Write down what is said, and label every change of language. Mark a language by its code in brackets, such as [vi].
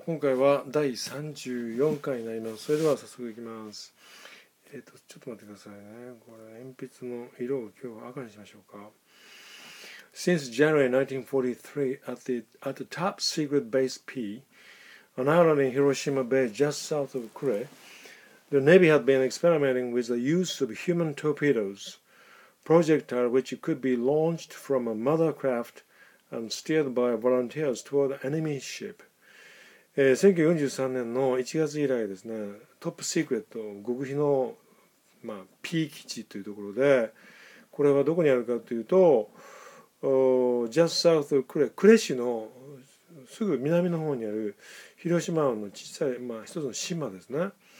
[ja] 今回は第34回になります。それでは早速いきます。ちょっと待ってくださいね。これ鉛筆の色を今日は赤にしましょうか。 [en] Since January 1943 at the top secret base P an island in Hiroshima Bay just south of Kure, the Navy had been experimenting with the use of human torpedoes projectile which could be launched from a mother craft and steered by volunteers toward enemy ship。 [ja] 1943年の1月以来ですね、トップシークレット極秘の、まあ、P 基地というところで、これはどこにあるかというと、ジャスサウスクレ、クレ市のすぐ南の方にある広島湾の小さい、まあ、一つの島ですね。